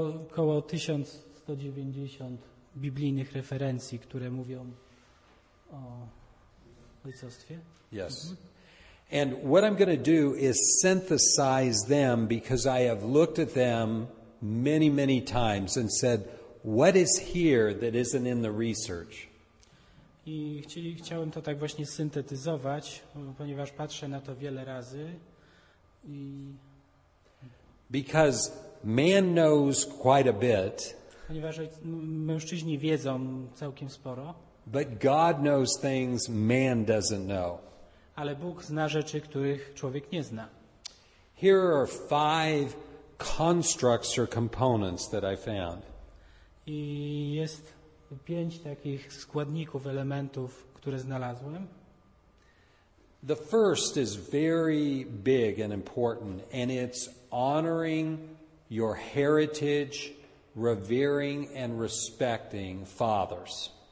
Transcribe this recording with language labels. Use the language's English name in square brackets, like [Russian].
[Polish] Około 1190 biblijnych referencji, które mówią o ojcostwie. [English] Yes. And what I'm going to do is synthesize them because I have looked at them many, many times and said, what is here that isn't in the research? [Polish] I chciałem to tak właśnie syntetyzować, ponieważ patrzę na to wiele razy. I... [English] Because man knows quite a bit. [Polish] Ponieważ mężczyźni wiedzą całkiem sporo. [English] But God knows things man doesn't know. [Polish] Ale Bóg zna rzeczy, których człowiek nie zna. [English] Here are five constructs or components that I found. [Polish] I jest pięć takich składników, elementów, które znalazłem. [English] The first is very big and important, and it's honoring your heritage, revering and respecting fathers.